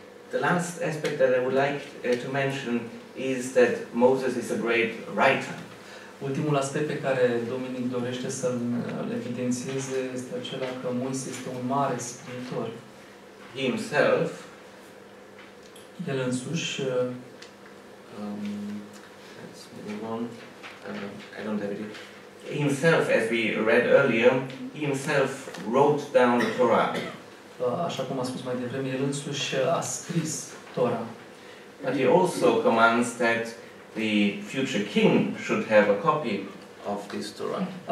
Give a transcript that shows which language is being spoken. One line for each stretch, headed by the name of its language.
English: The last aspect that I would like to mention is that Moses is a great writer.
Romanian: Ultimul aspect pe care Dominic dorește să-l evidențieze este acela că Moise este un mare scriitor.
English: Himself,
Romanian: el însuși,
English: let's move on. I don't have it. Himself, as we read earlier, himself wrote down the Torah.
Romanian: Așa cum a spus mai devreme, el însuși a scris Torah.
English: But he also commands that the future king should have a copy of this Torah.